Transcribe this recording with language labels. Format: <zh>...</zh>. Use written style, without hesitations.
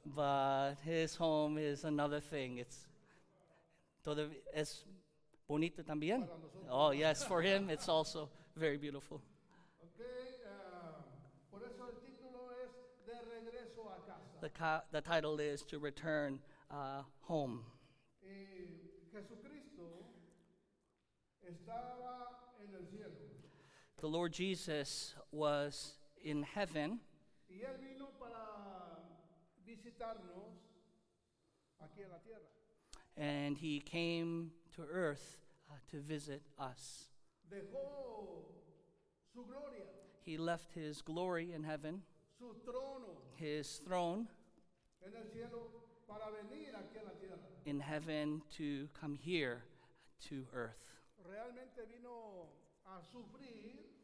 <en>But his home is another thing.</en> <es>It's todo es bonito también.</es> <en>Oh yes, for him it's also very beautiful.</en> <es>Okay, por eso el título es De Regreso a Casa.</es> <en>The title is To Return Home.</en> <es>Jesucristo estaba en el cielo.</es> <en>The Lord Jesus was in heaven,</en> <es>y él vino para visitarnos aquí en la tierra.</es> <en>And he came to earth to visit us.</en> <es>Dejó su gloria.</es> <en>He left his glory in heaven,</en> <es>su trono,</es> <en>his throne</en> <es>en el cielo, para venir aquí en la tierra.</es> <en>In heaven to come here to earth.</en> <es>Realmente vino a sufrir.</es>